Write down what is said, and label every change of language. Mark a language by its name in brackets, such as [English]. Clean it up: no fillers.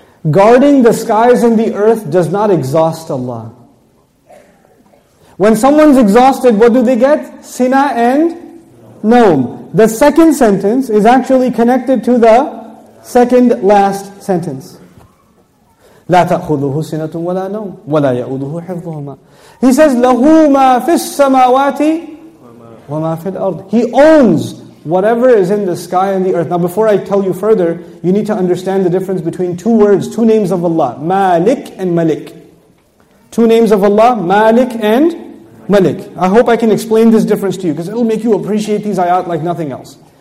[English] Guarding the skies and the earth does not exhaust Allah. When someone's exhausted, what do they get? Sina and Nom. The second sentence is actually connected to the second last sentence. [Arabic] لَا تَأْخُذُهُ سِنَةٌ وَلَا نَوْمٌ وَلَا يَعُدُهُ حِفْظُهُمَا. [English] He says, [Arabic] لَهُ مَا فِي السَّمَاوَاتِ وَمَا فِي الْأَرْضِ. [English] He owns whatever is in the sky and the earth. Now before I tell you further, you need to understand the difference between two words, two names of Allah, Malik and Malik. Two names of Allah, Malik and Malik. I hope I can explain this difference to you, because it will make you appreciate these ayat like nothing else.